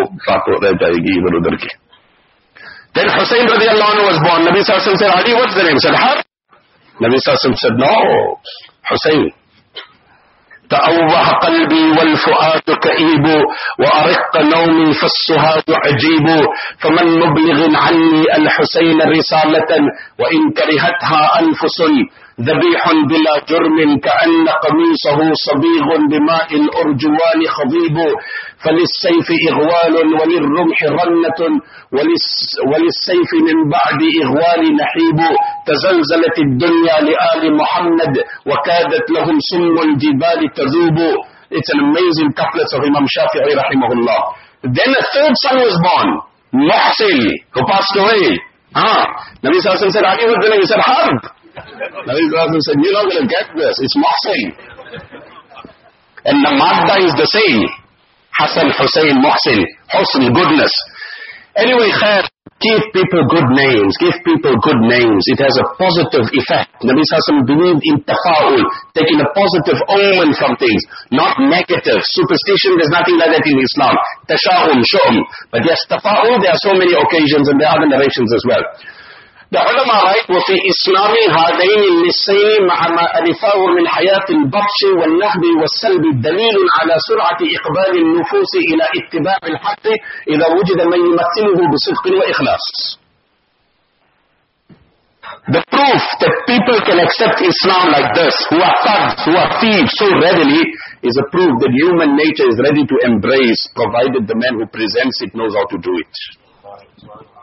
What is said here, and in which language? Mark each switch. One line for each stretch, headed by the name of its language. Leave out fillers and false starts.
English: Then Hussain radiallahu anhu was born. Nabi Sassam said, Ali, what's the name? He said, Har. Nabi Sassam said, no, Hussain.
Arabic: تأوه قلبي والفؤاد كئيب وأرق نومي فالسهاد عجيب فمن مبلغ عني الحسين رسالة وإن كرهتها أنفس ذبيح بلا جرم كأن قميصه صبيغ بماء الأرجوان خضيب فللسيف إغوال وللرمح رنة وللسيف من بعد إغوال نحيب تزلزلت الدنيا لآل محمد وكادت لهم سم الجبال تذوب.
English: It's an amazing couplet of Imam Shafi'i rahimahullah. Then a third son was born, Muhsin, who passed away. Nabi Sassan said, Ali, what's the name? He said, Harb. Nabi Sassan said, you're not going to get this. It's Muhsin. And the Magda is the same. Hassan, Hussein, Muhsin. Husn, goodness. Anyway, khair, give people good names. Give people good names. It has a positive effect. Nabi Sassan believed in tafa'ul, taking a positive omen from things, not negative. Superstition, there's nothing like that in Islam. Tasha'un, shu'um. But yes, tafa'ul, there are so many occasions and there are other narrations as well. The ulama write,
Arabic: وَفِي إِسْلَامِ هَذَيْنِ النِّسَيْنِ مَعَمَا أَلِفَاهُ مِنْ حَيَاةِ الْبَطْشِ وَالنَّهْبِ وَالسَّلْبِ دَلِيلٌ عَلَى سُرْعَةِ إِقْبَالِ النُّفُوسِ إِلَى اتِّبَاعِ الْحَقِّ إِذَا وُجِدَ مَنْ يُمَثِّلُهُ بِصِدْقٍ وَإِخْلَاصٍ.
English: The proof that people can accept Islam like this, who are thugs, who are thieves so readily, is a proof that human nature is ready to embrace, provided the man who presents it knows how to do it.